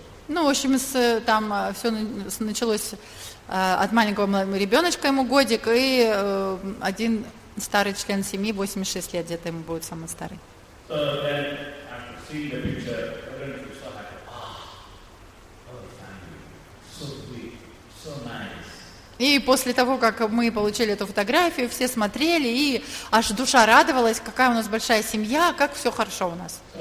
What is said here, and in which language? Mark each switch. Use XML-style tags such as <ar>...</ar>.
<ru>Ну, в общем, там все началось... От маленького ребеночка ему годик, и один старый член семьи, 86 лет, где-то ему будет самый старый.</ru> <en>So then, after seeing the picture, I was so happy. Oh, family. So sweet, so nice.</en> <ru>И после того, как мы получили эту фотографию, все смотрели, и аж душа радовалась, какая у нас большая семья, как все хорошо у нас.</ru>